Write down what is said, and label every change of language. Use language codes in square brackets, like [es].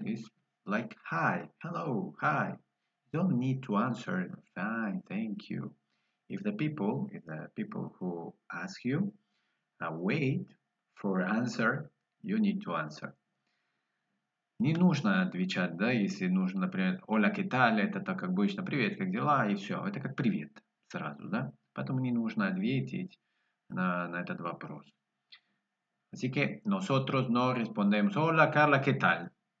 [en] It's like, hi, hello, hi. You don't need to answer, fine, thank you. If the people who ask you, wait, for answer, you need to answer. [ru] Не нужно отвечать, да, если нужно, например, [es] hola, ¿qué tal? [ru] Это так как обычно, привет, как дела? И все, это как привет сразу, да? Поэтому не нужно ответить на этот вопрос. [es] Así que nosotros no respondemos, hola, Carla, ¿qué tal?